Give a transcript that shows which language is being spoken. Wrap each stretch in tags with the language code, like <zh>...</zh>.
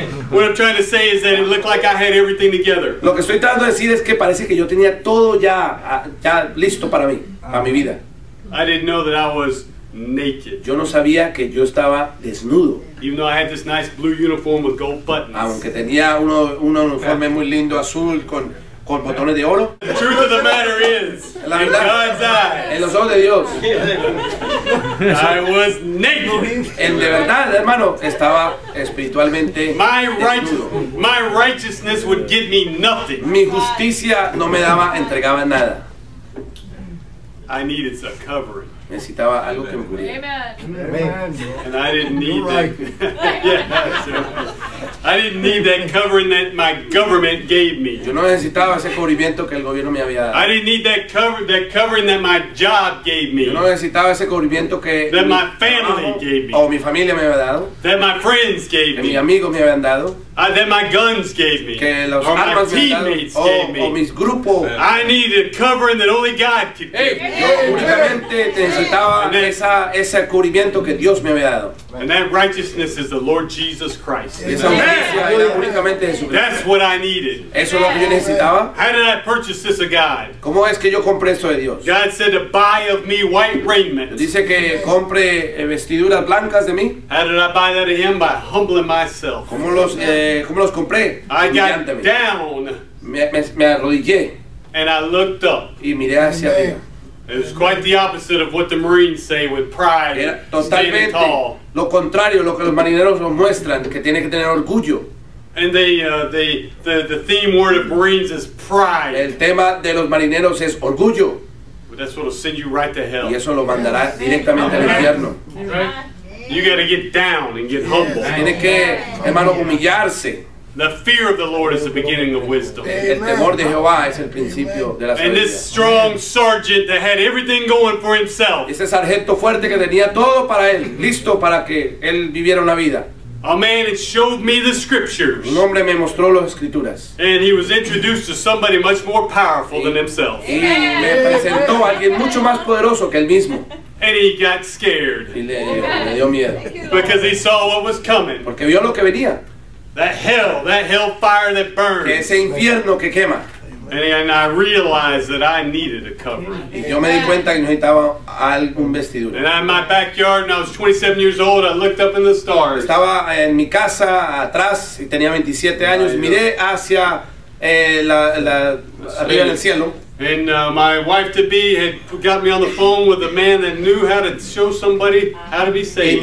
<en>What I'm trying to say is that it looked like I had everything together.</en> <es>Lo que estoy tratando de decir es que parece que yo tenía todo ya listo para mí, para mi vida.</es> <en>I didn't know that I was naked.</en> <es>Yo no sabía que yo estaba desnudo.</es> <en>Even though I had this nice blue uniform with gold buttons.</en> <es>Aunque tenía un uniforme muy lindo azul con botones de oro.</es> <en>The truth of the matter is,</en> <es>la verdad,</es> <en>in God's eyes,</en> <es>en los ojos de Dios,</es> <en>I was naked.</en> <es>En de verdad, hermano, estaba espiritualmente desnudo.</es> <en>My righteousness would give me nothing.</en> <es>Mi justicia no me daba, entregaba nada.</es> <en>I needed some covering.</en> <es>Necesitaba algo.</es> <en>Amen.</en> <es>Que me cubriera.</es> <en>And I didn't need right. That. I didn't need that covering that my government gave me.</en> <es>Yo no necesitaba ese cubrimiento que el gobierno me había dado.</es> <en>I didn't need that covering that my job gave me.</en> <es>Yo no necesitaba ese cubrimiento que</es> <en>that my family gave me.</en> <es>O mi familia me había dado.</es> <en>That my friends gave</en> <es>me. Mis amigos me habían dado.</es> <en>That my guns gave me.</en> <es>Que los</es> <en>or</en> <es>armas</es> <en>my teammates</en> <es>dado,</es> <en>gave me.</en> <es>O mis grupos.</es> <en>I needed covering that only God could give me.</en> <es>Yo únicamente necesitaba ese cubrimiento que Dios me había dado.</es> <en>And that righteousness is the Lord Jesus Christ. That's what I needed.</en> <es>Eso es lo que yo necesitaba.</es> <en>How did I purchase this of God?</en> <es>¿Cómo es que yo compré esto de Dios?</es> <en>God said to buy of me white raiment.</en> <es>Dice que compre vestiduras blancas de mí.</es> <en>How did I buy that of him? By humbling myself.</en> <es>¿Cómo los compré?</es> <en>I got down.</en> <es>Me arrodillé.</es> <en>And I looked up.</en> <es>Y miré hacia arriba.</es> <en>It was quite the opposite of what the Marines say with pride.</en> <es>Era totalmente</es> <en>tall.</en> <es>Lo contrario lo que los marineros nos muestran, que tiene que tener orgullo.</es> <en>And the theme word of Marines is pride.</en> <es>El tema de los marineros es orgullo.</es> <en>But that's what will send you right to hell.</en> <es>Y eso lo mandará directamente al infierno.</es> <en>You got to get down and get humble.</en> <es>Tiene que, hermano, humillarse.</es> <en>The fear of the Lord is the beginning of wisdom.</en> <es>El temor de Jehová es el principio de la sabiduría.</es> <en>And this strong sergeant that had everything going for himself.</en> <es>Ese sargento fuerte que tenía todo para él, listo para que él viviera una vida.</es> <en>A man that showed me the scriptures.</en> <es>Un hombre me mostró las escrituras.</es> <en>And he was introduced to somebody much more powerful than himself.</en> <es>Y me presentó a alguien mucho más poderoso que él mismo.</es> <en>And he got scared.</en> <es>Y le dio miedo.</es> <en>Because he saw what was coming.</en> <es>Porque vio lo que venía.</es> <en>That hell fire that burns.</en> <es>Que ese infierno que quema.</es> <en>And I realized that I needed a covering.</en> <es>Y yo me di cuenta que necesitaba algún vestidura.</es> <en>And in my backyard, when I was 27 years old, I looked up in the stars.</en> <es>Estaba en mi casa atrás y tenía 27 años. Miré hacia arriba del cielo.</es> <en>And my wife to be had got me on the phone with a man that knew how to show somebody how to be saved.</en>